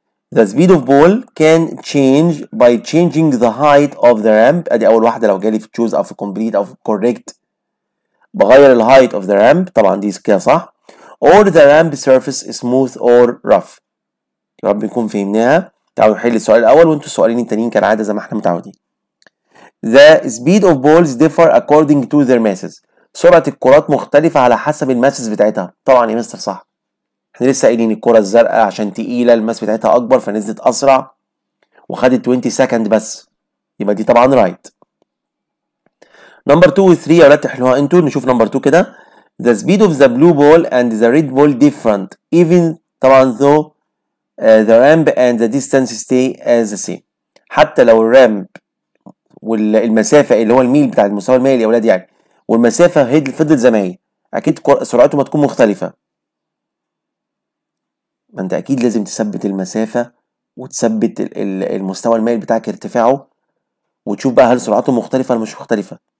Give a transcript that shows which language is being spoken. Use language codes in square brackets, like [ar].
[en] The speed of ball can change by changing the height of the ramp. [ar] ادي اول واحده، لو جالي في choose او في complete او في correct، بغير ال [en] height of the ramp [ar] طبعا دي كده صح، [en] or the ramp surface smooth or rough. [ar] يا رب نكون فهمناها. تعالوا نحل السؤال الأول وانتوا السؤالين التانيين كالعادة زي ما احنا متعودين. [en] The speed of balls differ according to their masses، [ar] سرعة الكرات مختلفة على حسب الماسس بتاعتها. طبعا يا مستر صح، احنا لسه قايلين الكرة الزرقاء عشان تقيلة الماس بتاعتها أكبر فنزلت أسرع وخدت [en] 20 second [ar] بس، يبقى دي طبعا [en] right. [ar] نمبر 2 و 3 يا ولاد تحلوها انتوا، نشوف نمبر 2 كده. [en] The speed of the blue ball and the red ball different even [ar] طبعا [en] though the ramp and the distance stay as the same. [ar] حتى لو الرامب والمسافة اللي هو الميل بتاع المستوى المائل يا ولاد يعني، والمسافة فضلت زي ما هي، أكيد سرعته ما تكون مختلفة. ما أنت أكيد لازم تثبت المسافة وتثبت المستوى المائل بتاعك ارتفاعه وتشوف بقى هل سرعته مختلفة ولا مش مختلفة.